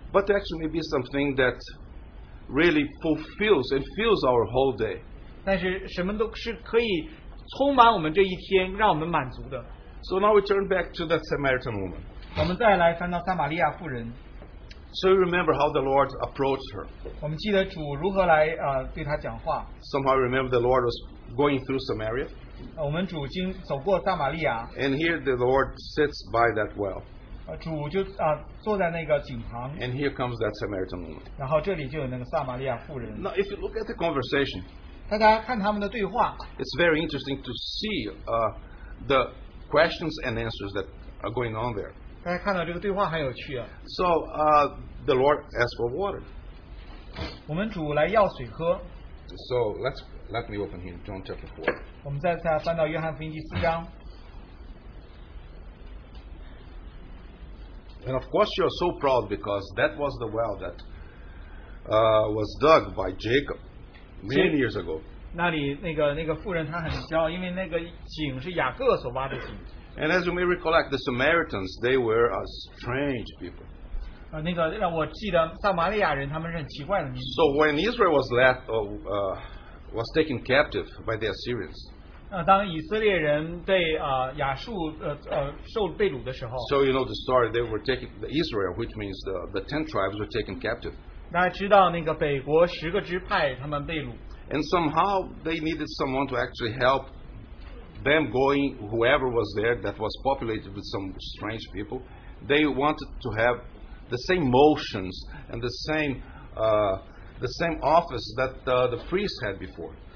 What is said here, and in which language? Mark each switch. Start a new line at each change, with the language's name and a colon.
English: But there actually may be something that really fulfills and fills our whole day.
Chinese: 但是什么都是可以充满我们这一天，让我们满足的。
English: So now we turn back to that Samaritan woman.
Chinese: 我们再来翻到撒玛利亚妇人。
English: So you remember how the Lord approached her.
Chinese: 我们记得主如何来, 对她讲话。
English: Somehow you remember the Lord was going through Samaria.
Chinese: 我们主经走过撒玛利亚。
English: And here the Lord sits by that well.
Chinese: 主就, 坐在那个井旁。
English: And here comes that Samaritan woman.
Chinese: 然后这里就有那个撒玛利亚妇人。
English: Now if you look at the conversation,
Chinese: 大家看他们的对话,
English: it's very interesting to see the questions and answers that are going on there.
Chinese: 大家看到这个对话很有趣啊。
English: So the Lord asked for water.
Chinese: 我们主来要水喝。
English: So let me open here, John chapter 4.
Chinese: 我们再翻到约翰福音第四章。
English: And of course you are so proud because that was the well that was dug by Jacob many years ago.
Chinese: 那里那个妇人她很骄傲，因为那个井是雅各所挖的井。
English: And as you may recollect, the Samaritans, they were a strange people.
Chinese: 那个让我记得撒玛利亚人他们是很奇怪的民族。
English: So when Israel was left, was taken captive by the Assyrians.
Chinese: 当以色列人被, 亚述, 受被掳的时候,
English: so you know the story, they were taken, the Israel, which means the 10 tribes were taken captive.
Chinese: 大家知道那个北国十个支派,
English: and somehow they needed someone to actually help them going, whoever was there that was populated with some strange people, they wanted to have the same motions and the same office that the priest had before.